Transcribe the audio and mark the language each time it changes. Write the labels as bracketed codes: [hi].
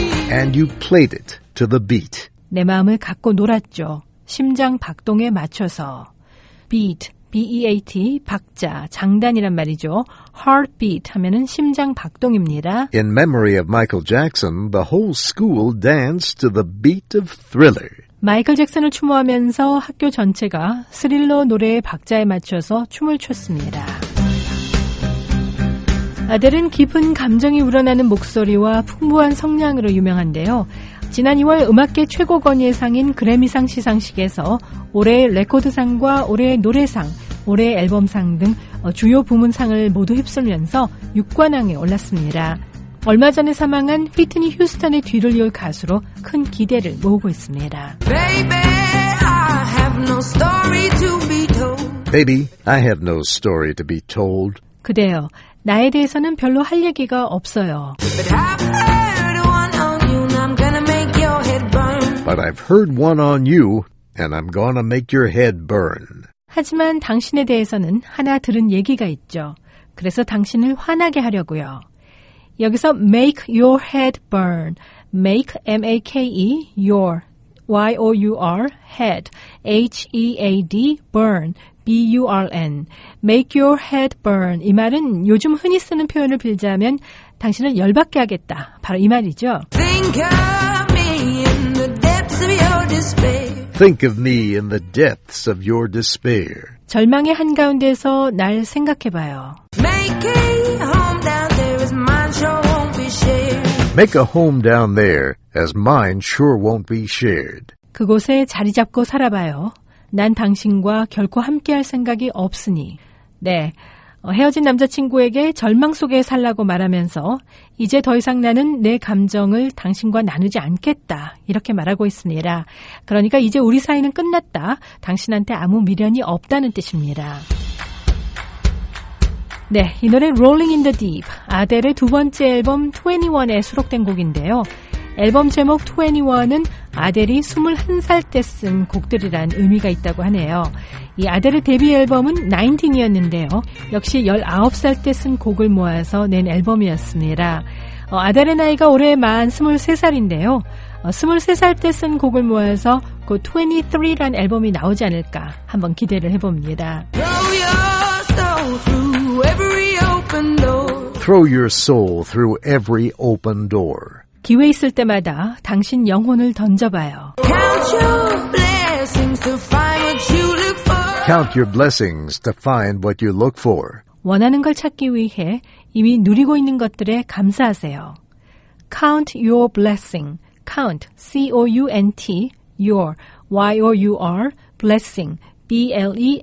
[en] And you played it to the beat. [ko] 내 마음을 갖고 놀았죠. 심장 박동에 맞춰서 [en] beat B-E-A-T, [ko] 박자, 장단이란 말이죠. Heartbeat 하면은 심장 박동입니다. [en] In memory of Michael Jackson, the whole school danced to the beat of Thriller. [ko] 마이클 잭슨을 추모하면서 학교 전체가 스릴러 노래의 박자에 맞춰서 춤을 췄습니다. 아델은 깊은 감정이 우러나는 목소리와 풍부한 성량으로 유명한데요. 지난 2월 음악계 최고 권위의 상인 그래미상 시상식에서 올해의 레코드상과 올해의 노래상, 올해의 앨범상 등 주요 부문상을 모두 휩쓸면서 6관왕에 올랐습니다. 얼마 전에 사망한 휘트니 휴스턴의 뒤를 이을 가수로 큰 기대를 모으고 있습니다. [en] Baby, I have no story to be told. Baby, I have no story to be told. [ko] 그래요. 나에 대해서는 별로 할 얘기가 없어요. [en] But I've heard one on you and I'm gonna make your head burn. But I've heard one on you and I'm gonna make your head burn. [ko] 하지만 당신에 대해서는 하나 들은 얘기가 있죠. 그래서 당신을 화나게 하려고요. 여기서 [en] make your head burn. make, M-A-K-E, your, Y-O-U-R, head, H-E-A-D, burn, B-U-R-N. make your head burn. [ko] 이 말은 요즘 흔히 쓰는 표현을 빌자면 당신을 열받게 하겠다. 바로 이 말이죠. [en] Think of me in the depths of your despair. Think of me in the depths of your despair. [ko] 절망의 한가운데서 날 생각해봐요. [en] Make a home down there as mine sure won't be shared. Make a home down there as mine sure won't be shared. [ko] 그곳에 자리 잡고 살아봐요. 난 당신과 결코 함께할 생각이 없으니. 네, 헤어진 남자친구에게 절망 속에 살라고 말하면서 이제 더 이상 나는 내 감정을 당신과 나누지 않겠다 이렇게 말하고 있습니다. 그러니까 이제 우리 사이는 끝났다. 당신한테 아무 미련이 없다는 뜻입니다. 네, 이 노래 Rolling in the Deep, 아델의 두 번째 앨범 21에 수록된 곡인데요. 앨범 제목 21은 아델이 21살 때 쓴 곡들이란 의미가 있다고 하네요. 이 아델의 데뷔 앨범은 19이었는데요. 역시 19살 때 쓴 곡을 모아서 낸 앨범이었습니다. 아델의 나이가 올해 만 23살인데요. 23살 때 쓴 곡을 모아서 곧 23란 앨범이 나오지 않을까 한번 기대를 해봅니다. [en] Throw your soul through every open door. Throw your soul through every open door. [ko] 기회 있을 때마다 당신 영혼을 던져봐요. [en] Count your blessings to find what you look for. Count your blessings to find what you look for. [ko] 원하는 걸 찾기 위해 이미 누리고 있는 것들에 감사하세요. [en] Count your blessing. Count, C-O-U-N-T, your, Y-O-U-R, blessing, B-L-E-S-S-I-N-G.